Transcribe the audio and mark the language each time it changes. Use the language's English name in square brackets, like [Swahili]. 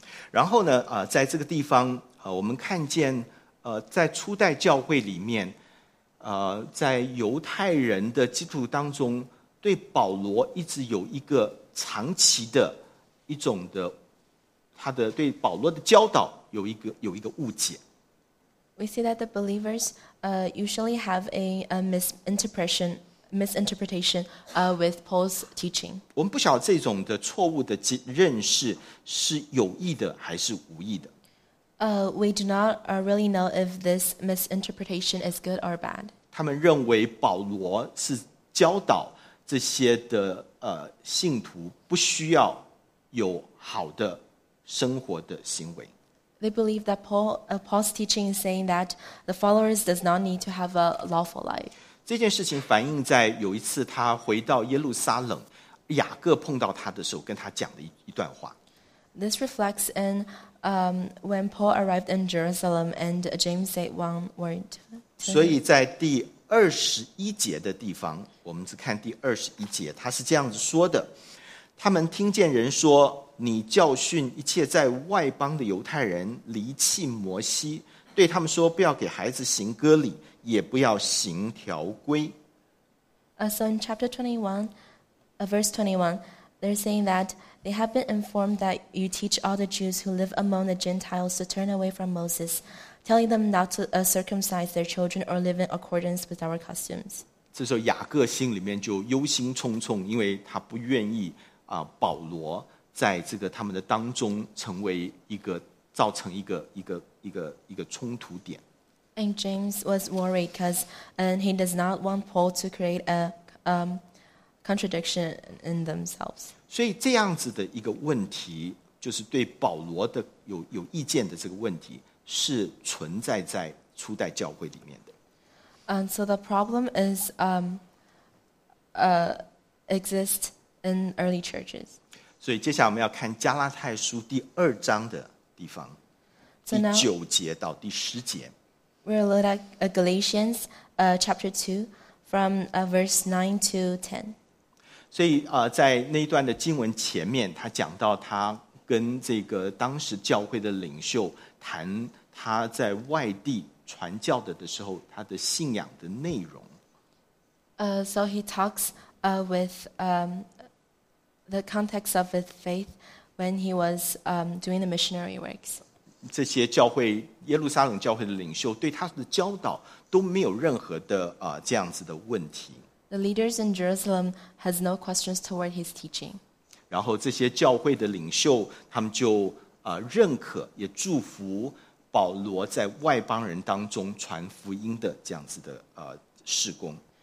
[Chinese] 然后呢在这个地方我们看见在初代教会里面在犹太人的基督徒当中，对保罗一直有一个长期的一种的他的对保罗的教导有一个误解。 [English] We see that the believers usually have a misinterpretation misinterpretation with Paul's teaching. [Chinese] 我们不晓得这种的错误的认识是有意的还是无意的。 [English] We do not really know if this misinterpretation is good or bad. [Chinese] 他们认为保罗是教导这些的信徒不需要有好的生活的行为。 [English] They believe that Paul's teaching is saying that the followers does not need to have a lawful life. [Chinese] 这件事情反映在有一次他回到耶路撒冷，雅各碰到他的时候跟他讲的一段话。 [English] This reflects in when Paul arrived in Jerusalem and James said one word. [Chinese] 所以在第二十一节的地方，我们只看第二十一节，他是这样子说的：他们听见人说你教训一切在外邦的犹太人离弃摩西，对他们说不要给孩子行割礼，也不要行条规。 [English] So in chapter 21, verse 21, they're saying that they have been informed that you teach all the Jews who live among the Gentiles to turn away from Moses, telling them not to circumcise their children or live in accordance with our customs. [Chinese] 这时候雅各心里面就忧心忡忡，因为他不愿意保罗在这个他们的当中成为一个造成一个冲突点。 [English] And James was worried because and he does not want Paul to create a contradiction in themselves. [Chinese] 所以这样子的一个问题，就是对保罗的有意见的这个问题，是存在在初代教会里面的。 [English] And so the problem is exists in early churches. [Chinese] 所以接下来我们要看加拉太书第二章的地方，第九节到第十节。 [English] We'll look at Galatians chapter 2 from verse 9 to 10. [Chinese] 所以在那一段的经文前面，他讲到他跟这个当时教会的领袖谈他在外地传教的时候他的信仰的内容。 [English] So he talks with the context of his faith when he was doing the missionary works. [Chinese] 这些教会耶路撒冷教会的领袖对他的教导都没有任何的这样子的问题。 [English] The leaders in Jerusalem has no questions toward his teaching. [Chinese] 然后这些教会的领袖他们就认可也祝福保罗在外邦人当中传福音的这样子的事工。